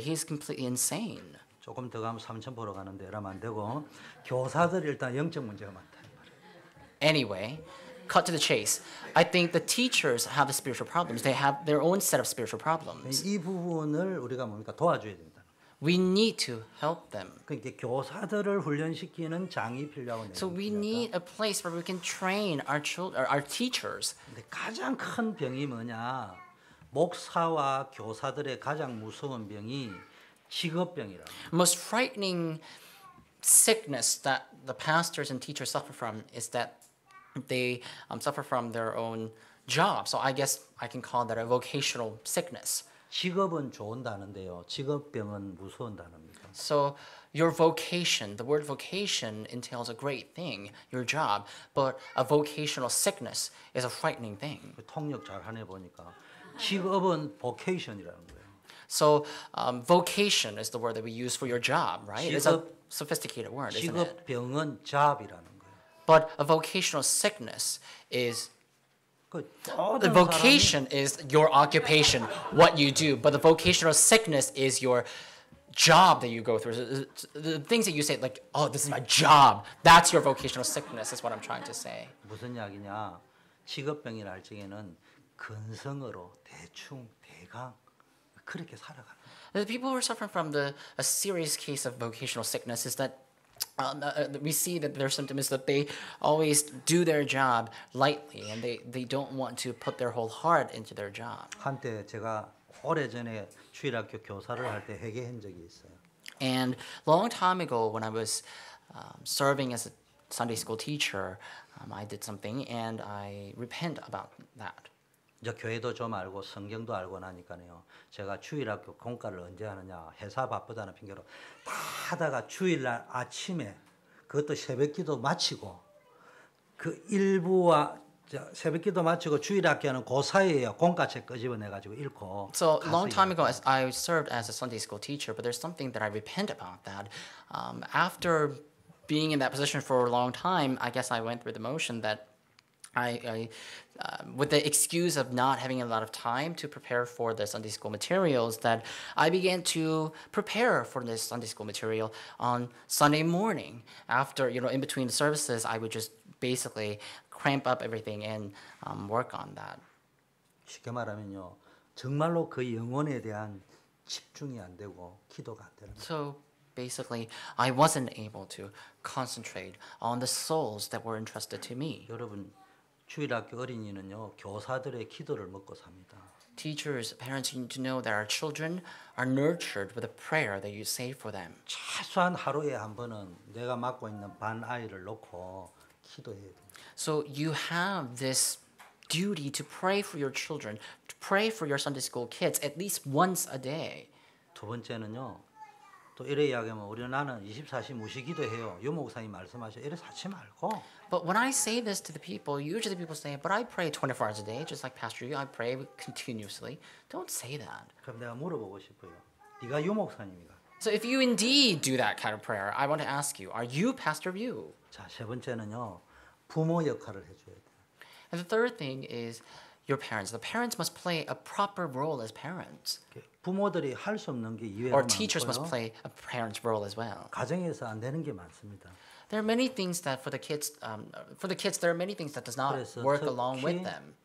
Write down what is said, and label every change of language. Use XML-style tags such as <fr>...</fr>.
<en>He is completely insane.</en> <ko>조금 더 가면 삼천포로 가는데 이러면 안 되고 교사들 일단 영적 문제가 많다.</ko> <en>Anyway, cut to the chase. I think the teachers have the spiritual problems. They have their own set of spiritual problems.</en> <ko>이 부분을 우리가 뭡니까? 도와줘야 됩니다.</ko> <en>We need to help them.</en> <ko>그러니까 교사들을 훈련시키는 장이 필요하고</ko> <en>So we need a place where we can train our children, our teachers.</en> <ko>근데 가장 큰 병이 뭐냐? 목사와 교사들의 가장 무서운 병이 직업병이라.</ko> <en>Most frightening sickness that the pastors and teachers suffer from is that they suffer from their own job. So I guess I can call that a vocational sickness.</en> <ko>직업은 좋은 단어인데요. 직업병은 무서운 단어입니다.</ko> <en>So your vocation, the word vocation entails a great thing, your job, but a vocational sickness is a frightening thing.</en> <ko>통역 잘 하네 보니까 직업은 vocation이라는 거예요.</ko> <en>So vocation is the word that we use for your job, right?</en> <ko>직업,</ko> <en>it's a sophisticated word, isn't it?</en> <ko>직업병은 job이라는 거예요.</ko> <en>But a vocational sickness is The vocation</en> <ko>사람이...</ko> <en>is your occupation, what you do. But the vocational sickness is your job that you go through. The things that you say, like, oh, this is my job. That's your vocational sickness, is what I'm trying to say.</en> <ko>무슨 약이냐? 직업병이라 할 적에는 근성으로 대충 대강 그렇게 살아가는.</ko> <en>The people who are suffering from a serious case of vocational sickness is that we see that their symptom is that they always do their job lightly, and they don't want to put their whole heart into their job.</en> <ko>한때 제가 오래전에 주일학교 교사를 할 때 회개한 적이 있어요.</ko> <en>And long time ago, when I was serving as a Sunday school teacher, I did something, and I repent about that.</en> <ko>이제 교회도 좀 알고 성경도 알고 나니까요. 제가 주일학교 공과를 언제 하느냐 회사 바쁘다는 핑계로 다 하다가 주일날 아침에 그것도 새벽기도 마치고 그 일부와 새벽기도 마치고 주일학교는 그 사이에요. 공과책 꺼집어내가지고 읽고</ko> <en>So long time ago I served as a Sunday school teacher but there's something that I repent about that. After being in that position for a long time I guess I went through the motion that with the excuse of not having a lot of time to prepare for the Sunday school materials, that I began to prepare for this Sunday school material on Sunday morning. After, you know, in between the services, I would just basically cramp up everything and work on that.</en> <ko>쉽게 말하면요, 정말로 그 영혼에 대한 집중이 안 되고 기도가 안 되는.</ko> <en>So basically, I wasn't able to concentrate on the souls that were entrusted to me.</en> <ko>여러분. 주일학교 어린이는요 교사들의 기도를 먹고 삽니다.</ko> <en>Teachers, parents, you need to know that our children are nurtured with a prayer that you say for them.</en> <ko>최소한 하루에 한 번은 내가 맡고 있는 반 아이를 놓고 기도해야 돼요.</ko> <en>So you have this duty to pray for your children, to pray for your Sunday school kids at least once a day.</en> <ko>두 번째는요. 또 이래 이야기하면 우리는 나는 24시 무시 기도해요. 요 목사님 말씀하셔. 이래 사치 말고.</ko> <en>But when I say this to the people, usually people say, but I pray 24 hours a day, just like Pastor Yu, I pray continuously. Don't say that.</en> <ko>그럼 내가 물어보고 싶어요. 네가 요 목사님이가.</ko> <en>So if you indeed do that kind of prayer, I want to ask you, are you Pastor Yu?</en> <ko>자, 세 번째는요. 부모 역할을 해줘야 돼.</ko> <en>And the third thing is your parents. The parents must play a proper role as parents.</en> <ko>부모들이 할 수 없는 게 이외에</ko> <en>Or teachers must play a parent's role as well.</en> <ko>가정에서 안 되는 게 많습니다.</ko> <en>There are many things that for the kids there are many things that does not work along with them.</en>